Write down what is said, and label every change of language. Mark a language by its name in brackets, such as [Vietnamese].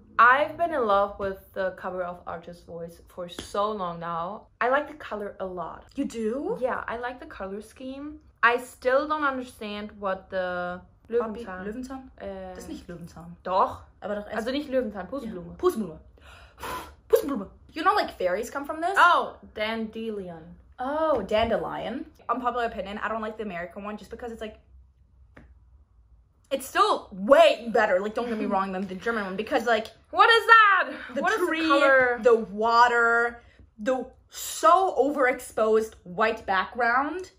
[English] I've been in love with the cover of Archer's Voice for so long now. I like the color a lot. You do? Yeah, I like the color scheme. I still don't understand what the [German] Löwenzahn. Das ist nicht Löwenzahn. Doch. Aber doch also nicht Löwenzahn, Pusenblume. [English] Yeah. [German] Pusenblume. Pusenblume. [English] You know, like, fairies come from this? Oh, dandelion. Oh, dandelion. Unpopular opinion, I don't like the American one just because it's like... It's still way better, like, don't get me wrong, than the German one, because, like, what is that? The what tree, is the color? The water, the so overexposed white background.